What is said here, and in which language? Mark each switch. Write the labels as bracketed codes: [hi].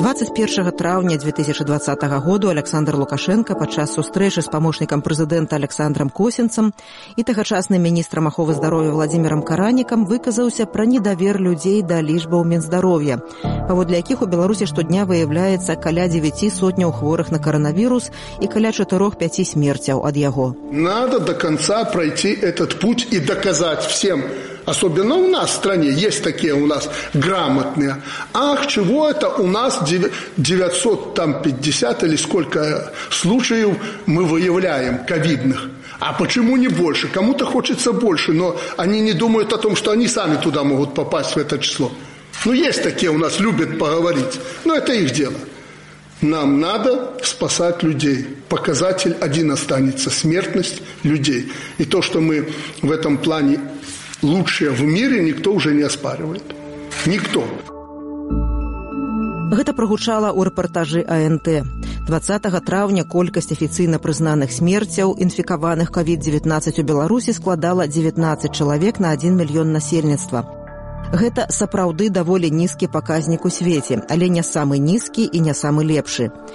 [be] Першага траўня 2020 году Александр Лукашенко падчас сустрэчы з памочнікам прэзідэнта Александрам Косінцам і тагачасным міністрам аховы здароўя Владзімірам Каранікам выказаўся пра недавер людзей да лічбаў Мінздароўя, паводле якіх у Беларусі штодня выяўляецца каля 900 хворых на каранавірус і каля 4-5 смерцяў ад яго. [ru] Надо до конца пройти этот путь и доказать всем. Особенно у нас в стране есть такие у нас грамотные. Ах, чего это у нас 950 или сколько случаев мы выявляем ковидных? А почему не больше? Кому-то хочется больше, но они не думают о том, что они сами туда могут попасть в это число. Ну, есть такие у нас, любят поговорить, но это их дело. Нам надо спасать людей. Показатель один останется – смертность людей. И то, что мы в этом плане лучшее в мире никто уже не оспаривает. Никто. [be] Гэта прагучала ў рэпартажы АНТ. 20 траўня колькасць афіцыйна прызнаных смерцяў, інфікаваных COVID-19 у Беларусі складала 19 чалавек на 1 мільён насельніцтва. Гэта сапраўды даволі нізкі паказнік у свеце, але не самы нізкі і не самы лепшы.